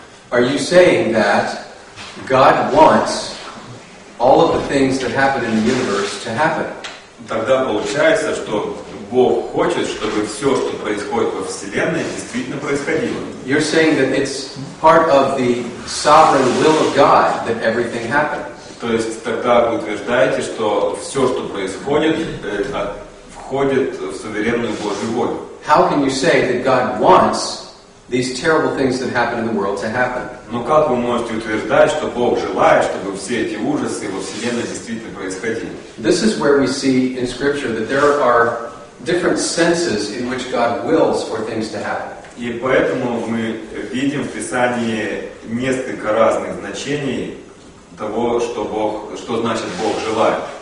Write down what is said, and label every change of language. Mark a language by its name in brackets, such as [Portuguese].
[English] Are you saying that God wants all of the things that happen in the universe to happen? [Russian] Тогда получается, что Бог хочет, чтобы все, что происходит во Вселенной, действительно происходило. [English] You're saying that it's part of the sovereign will of God that everything happens. [Russian] То есть тогда вы утверждаете, что все, что происходит, входит в суверенную Божью волю. [English] How can you say that God wants these terrible things that happen in the world to happen? [Russian] Но как вы можете утверждать, что Бог желает, чтобы все эти ужасы во вселенной действительно происходили? [English] This is where we see in Scripture that there are different senses in which God wills for things to happen. [Russian] И поэтому мы видим в Писании несколько разных значений того, что Бог, что значит Бог желает.